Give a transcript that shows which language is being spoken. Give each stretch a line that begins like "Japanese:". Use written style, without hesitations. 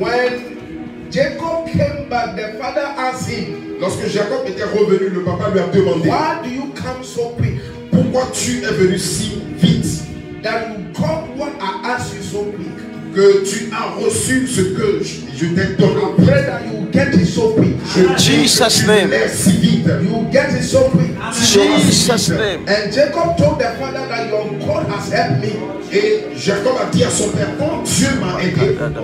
English: When Jacob came back, the father asked him.
French: Lorsque Jacob était revenu, le papa lui a demandé.
English: Why do you come so quick?
French: Pourquoi tu es venu si vite?
English: That you got what I asked you so quick.
French: Que tu as reçu ce que je t'ai donné.
English: I pray that you get it so quick. Jesus' name.
French: Si vite.
English: You get it so quick. Jesus' name. And Jacob told the father that your God has helped me.
French: Et Jacob a dit à son père, ton Dieu m'a aidé.